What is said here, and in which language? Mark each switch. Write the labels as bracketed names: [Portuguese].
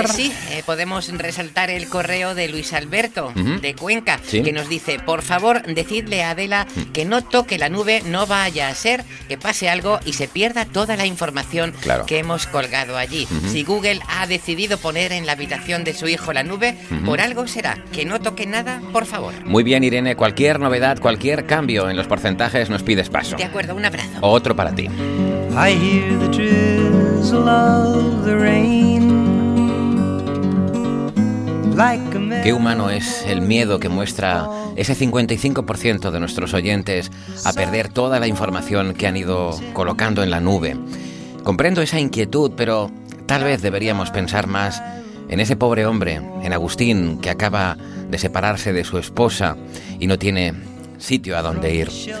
[Spanish] Pues sí, podemos resaltar el correo de Luis Alberto, de Cuenca, que nos dice, por favor, decidle a Adela que no toque la nube, no vaya a ser que pase algo y se pierda toda la información que hemos colgado allí. Si Google ha decidido poner en la habitación de su hijo la nube, por algo será. Que no toque nada, por favor. Muy bien, Irene, cualquier novedad, cualquier cambio en los porcentajes nos pides paso. De acuerdo, un abrazo. Otro para ti. [English] I hear the drizzle of the rain. [Spanish] ¿Qué humano es el miedo que muestra ese 55% de nuestros oyentes a perder toda la información que han ido colocando en la nube? Comprendo esa inquietud, pero tal vez deberíamos pensar más en ese pobre hombre, en Agustín, que acaba de separarse de su esposa y no tiene sitio a donde ir.